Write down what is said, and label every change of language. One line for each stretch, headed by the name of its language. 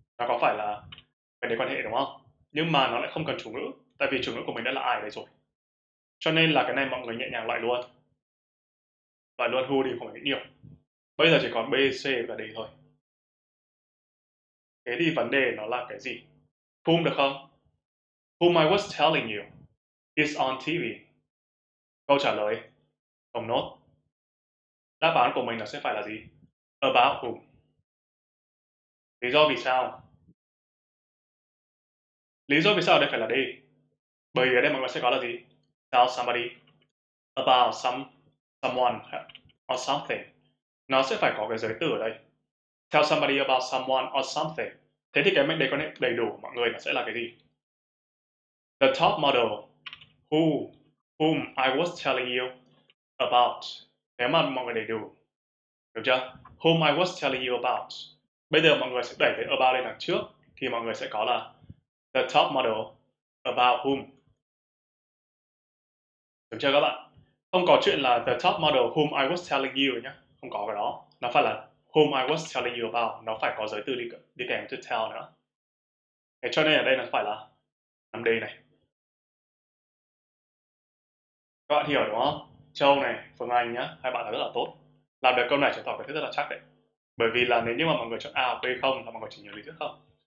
Vietnamese: Nó có phải là mệnh đề quan hệ đúng không? Nhưng mà nó lại không cần chủ ngữ, tại vì chủ ngữ của mình đã là I đấy rồi. Cho nên là cái này mọi người nhẹ nhàng loại luôn. Loại luôn who thì không phải nghĩ nhiều. Bây giờ chỉ còn B, C và D thôi. Thế thì vấn đề nó là cái gì? Whom được không?
English: Whom I was telling you is on TV.
Vietnamese: Câu trả lời, ông nốt. Đáp án của mình nó sẽ phải là gì?
English: About whom.
Vietnamese: Lý do vì sao? Lý do vì sao ở đây phải là D? Bởi vì ở đây mọi người sẽ có là gì?
English: Tell somebody about someone or something.
Vietnamese: Nó sẽ phải có cái giới từ ở đây.
English: Tell somebody about someone or something.
Vietnamese: Thế thì cái mệnh đề quan hệ đầy đủ của mọi người nó sẽ là cái gì?
English: The top model whom I was telling you about.
Vietnamese: Nếu mà mọi người đầy đủ, được chưa?
English: Whom I was telling you about.
Vietnamese: Bây giờ mọi người sẽ đẩy cái about lên đằng trước thì mọi người sẽ có là
English: the top model about whom.
Vietnamese: Được chưa các bạn? Không có chuyện là
English: the top model whom I was telling you
Vietnamese: nhé. Không có cái đó. Nó phải là
English: whom I was telling you about.
Vietnamese: Nó phải có giới từ đi kèm
English: to tell
Vietnamese: nữa. Thế cho nên ở đây nó phải là làm đề này. Các bạn hiểu đúng không? Châu này, Phương Anh nhá, hai bạn đã rất là tốt. Làm được câu này chứng tỏ cái thứ rất là chắc đấy. Bởi vì là nếu như mà mọi người chọn A hoặc B không là mọi người chỉ nhớ lý thuyết không.